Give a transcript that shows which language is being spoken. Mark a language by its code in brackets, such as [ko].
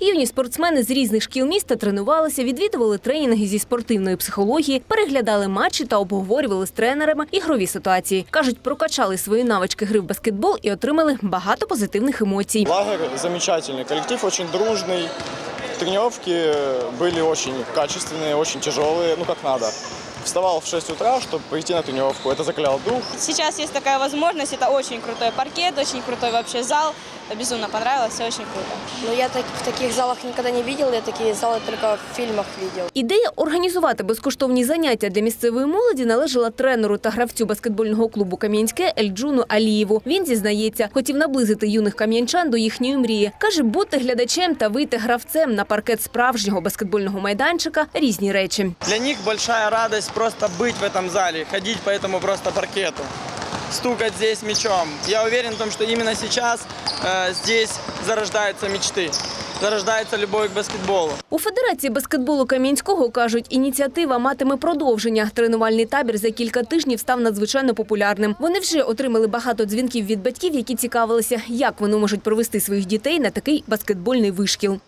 [uk] Юні спортсмени з різних шкіл міста тренувалися, відвідували тренінги зі спортивної психології, переглядали матчі та обговорювали з тренерами ігрові ситуації. Кажуть, прокачали свої навички гри в баскетбол і отримали багато позитивних емоцій. Лагер замечательний, колектив дуже дружний. [ru] Тренировки были очень качественные, очень тяжелые, ну как надо. Вставал в 6 утра, чтобы прийти на тренировку, это закалял дух. Сейчас есть такая возможность, это очень крутой паркет, очень крутой вообще зал. Безумно понравилось, все очень круто. Ну я так, в таких залах никогда не видел, я такие залы только в фильмах видел. [uk] Ідея організувати безкоштовні заняття для місцевої молоді належала тренеру та гравцю баскетбольного клубу «Кам'янське» Ельджуну Алієву. Він зізнається, хотів наблизити юних кам'янчан до їхньої мрії. Каже, бути глядачем та вийти гравцем на паркет справжнього баскетбольного майданчика – різні речі. Для них велика радість просто бути в цьому залі, ходити по цьому просто паркету. [ru] Стукать здесь мячом. Я уверен в том, что именно сейчас здесь зарождаются мечты. Зарождається любов к баскетболу. [uk] У Федерації баскетболу Кам'янського кажуть, ініціатива матиме продовження. Тренувальний табір за кілька тижнів став надзвичайно популярним. Вони вже отримали багато дзвінків від батьків, які цікавилися, як вони можуть провести своїх дітей на такий баскетбольний вишкіл.